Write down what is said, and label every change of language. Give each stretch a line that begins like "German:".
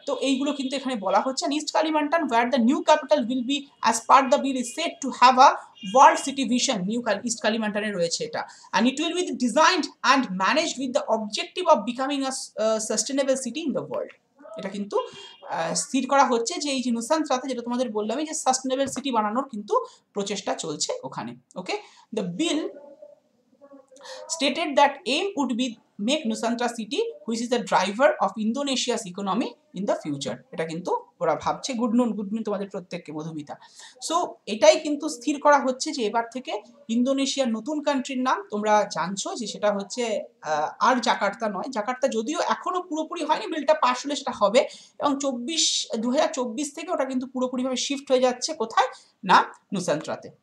Bangla: তো এইগুলো কিন্তু এখানে বলা হচ্ছে।
English: East Kalimantan where the new capital will be as per the bill is set to have a world city vision,
Bangla: east কালিমান্টানে রয়েছে এটা,
English: And it will be designed and managed with the objective of becoming a sustainable city in the world.
Bangla: এটা কিন্তু স্থির করা হচ্ছে যে এই যে নুসান্ত্রাতে যেটা তোমাদের বললাম যে সাস্টেনেবল সিটি বানানোর কিন্তু প্রচেষ্টা চলছে ওখানে।
English: Okay, the bill stated that aim would be make Nusantara city which is the driver of Indonesia's economy in the future.
Bangla: এটা কিন্তু ওরা ভাবছে,
English: good noon good noon
Bangla: তোমাদের প্রত্যেককে মধুমিতা। সো এটাই কিন্তু স্থির করা হচ্ছে যে এবার থেকে ইন্দোনেশিয়ার নতুন কান্ট্রির নাম তোমরা জানছো যে সেটা হচ্ছে আর জাকার্তা নয়। জাকার্তা যদিও এখনও পুরোপুরি হয়নি, বিলটা পাস হলে সেটা হবে, এবং ২০২৪ থেকে ওটা কিন্তু পুরোপুরিভাবে শিফট হয়ে যাচ্ছে কোথায় না, নুসান্ত্রাতে।